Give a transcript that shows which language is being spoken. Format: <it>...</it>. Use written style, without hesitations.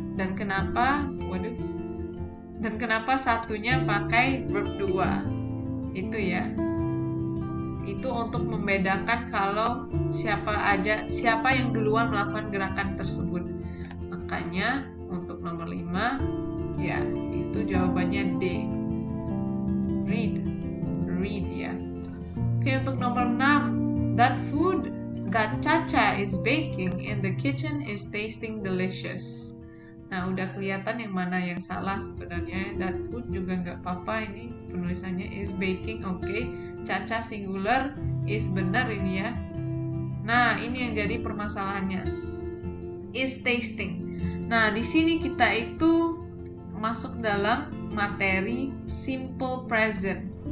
<id>Dan kenapa, dan kenapa satunya pakai verb 2? Itu ya. Itu untuk membedakan kalau siapa aja, siapa yang duluan melakukan gerakan tersebut. Makanya untuk nomor 5, ya, itu jawabannya D.</id> <en>Read. Read ya.</en> <id>Oke, untuk nomor 6,</id> <en>that food that Chacha is baking in the kitchen is tasting delicious.</en> <id>Nah, udah kelihatan yang mana yang salah sebenarnya. That food juga nggak apa-apa. Ini penulisannya is baking, oke. Okay. Caca singular is benar ini ya. Nah, ini yang jadi permasalahannya. Is tasting. Nah, di sini kita itu masuk dalam materi simple present.</id>